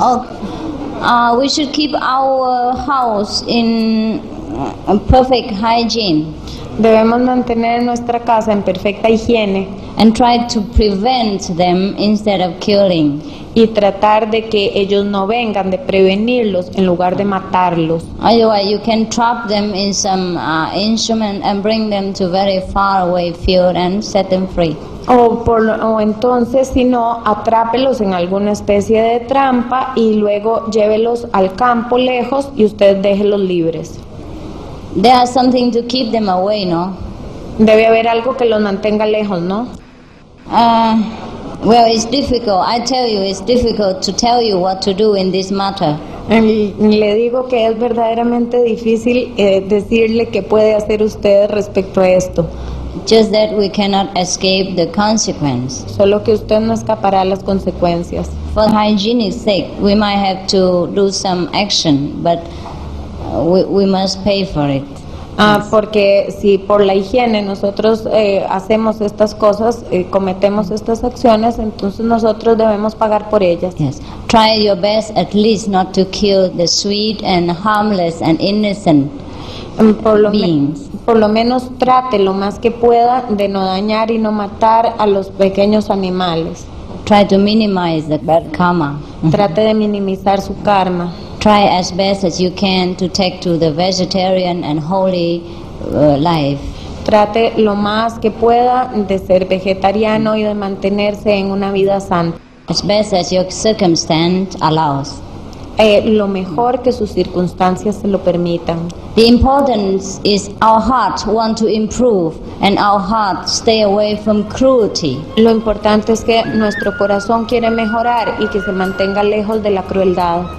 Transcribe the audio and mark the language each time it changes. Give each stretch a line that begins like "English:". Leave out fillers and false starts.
English: Oh, we should keep our house in perfect hygiene.
Spanish: Debemos mantener nuestra casa en perfecta higiene.
English: And try to prevent them instead of killing.
Spanish: Y tratar de que ellos no vengan, de prevenirlos en lugar de matarlos.
English: Otherwise, you can trap them in some instrument and bring them to very far away field and set them free.
Spanish: O entonces, si no, atrápelos en alguna especie de trampa y luego llévelos al campo lejos y usted déjelos libres.
English: There is something to keep them away, no?
Spanish: Debe haber algo que los mantenga lejos, ¿no?
English: Well, it's difficult. I tell you, it's difficult to tell you what to do in this matter.
Spanish: Le digo que es verdaderamente difícil decirle qué puede hacer usted respecto a esto.
English: Just that we cannot escape the consequence.
Spanish: Solo que usted no escapará las consecuencias.
English: For hygienic sake, we might have to do some action, but we must pay for it.
Spanish: Porque si por la higiene nosotros hacemos estas cosas, cometemos estas acciones, entonces nosotros debemos pagar por ellas.
English: Yes. Try your best at least not to kill the sweet and harmless and innocent beings.
Spanish: Por lo menos trate lo más que pueda de no dañar y no matar a los pequeños animales.
English: Try to minimize the bad karma.
Spanish: Trate de minimizar su karma.
English: Try as best as you can to take to the vegetarian and holy life.
Spanish: Trate lo más que pueda de ser vegetariano y de mantenerse en una vida santa.
English: As best as your circumstance allows.
Spanish: Lo mejor que sus circunstancias se lo permitan.
English: The importance is our hearts want to improve and our hearts stay away from cruelty.
Spanish: Lo importante es que nuestro corazón quiere mejorar y que se mantenga lejos de la crueldad.